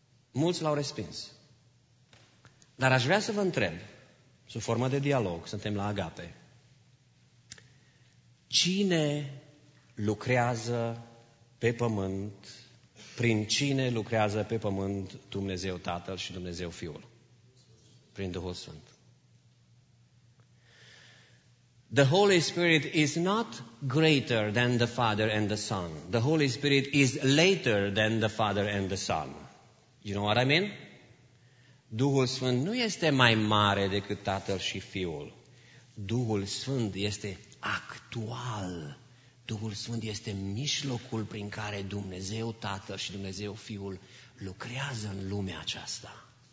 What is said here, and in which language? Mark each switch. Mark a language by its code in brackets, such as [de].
[ro] Mulți l-au respins. Dar aș vrea să vă întreb, sub formă de dialog, suntem la Agape. Cine lucrează pe pământ, prin cine lucrează pe pământ Dumnezeu Tatăl și Dumnezeu Fiul? Prin Duhul Sfânt. [en] The Holy Spirit is not greater than the Father and the Son. The Holy Spirit is later than the Father and the Son. You know what I mean? [ro] Duhul Sfânt nu este mai mare decât Tatăl și Fiul. Duhul Sfânt este actual. Duhul Sfânt este mijlocul prin care Dumnezeu Tatăl și Dumnezeu Fiul lucrează în lumea aceasta.